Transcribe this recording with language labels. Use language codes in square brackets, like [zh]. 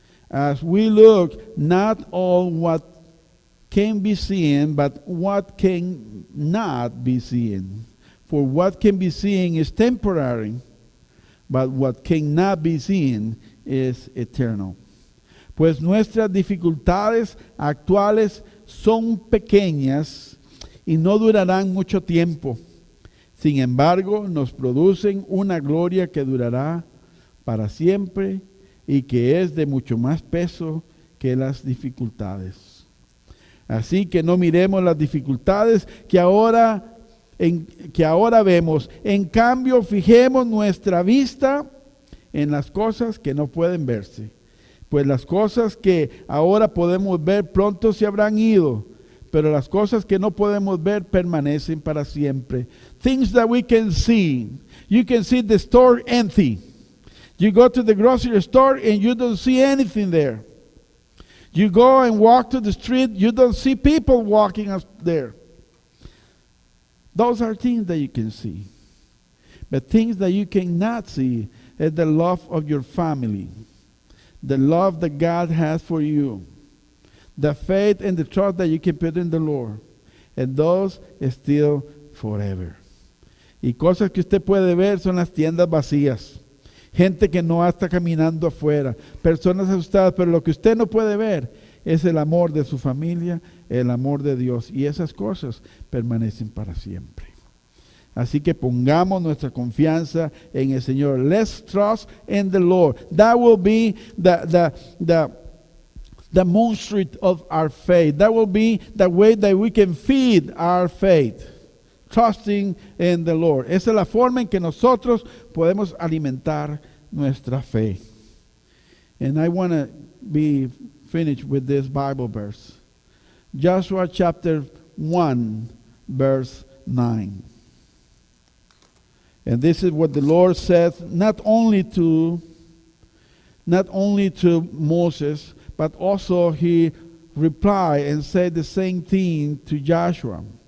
[en] As we look not on what can be seen, but what can not be seen. For what can be seen is temporary, but what cannot be seen is eternal. [es] Pues nuestras dificultades actuales son pequeñas y no durarán mucho tiempo. Sin embargo, nos producen una gloria que durará para siempre y que es de mucho más peso que las dificultades. Así que no miremos las dificultades que ahora vemos. En cambio, fijemos nuestra vista en las cosas que no pueden verse. Pues las cosas que ahora podemos ver pronto se habrán ido, pero las cosas que no podemos ver permanecen para siempre." [en] Things that we can see. You can see the store empty. You go to the grocery store and you don't see anything there. You go and walk to the street, you don't see people walking up there. Those are things that you can see. But things that you cannot see is the love of your family, the love that God has for you, the faith and the trust that you can put in the Lord, and those are still forever. [es] Y cosas que usted puede ver son las tiendas vacías, gente que no está caminando afuera, personas asustadas, pero lo que usted no puede ver es el amor de su familia, el amor de Dios, y esas cosas permanecen para siempre. Así que pongamos nuestra confianza en el Señor. [en] Let's trust in the Lord. That will be the moonstreet of our faith. That will be the way that we can feed our faith. Trusting in the Lord. [es] Esa es la forma en que nosotros podemos alimentar nuestra fe. [en] And I want to be finished with this Bible verse. Joshua chapter 1, verse 9. And this is what the Lord says, not only to Moses, but also he replied and said the same thing to Joshua.